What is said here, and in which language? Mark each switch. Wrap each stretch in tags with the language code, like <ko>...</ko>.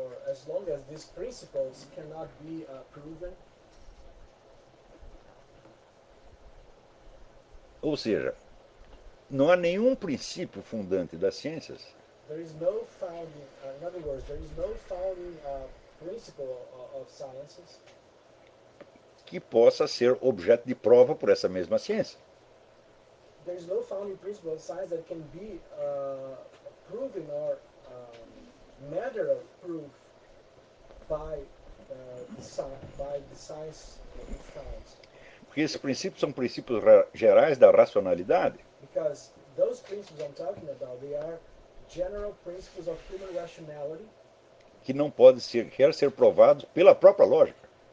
<en>as long as these principles cannot be proven.</en> <pt>Ou seja, não há nenhum princípio fundante das ciências.</pt> <en>There is no founding, in other words, there is no founding principle of sciences</en> <pt>que possa ser objeto de prova por essa mesma ciência.</pt> <en>There is no founding principle of science that can be proven or matter of proof by the science it founds.</en> <pt>Porque esses princípios são princípios gerais da racionalidade.</pt> <en>Because those principles I'm talking about, they are general principles of human rationality.</en> <pt>Que não pode ser, quer ser provado pela própria lógica.</pt>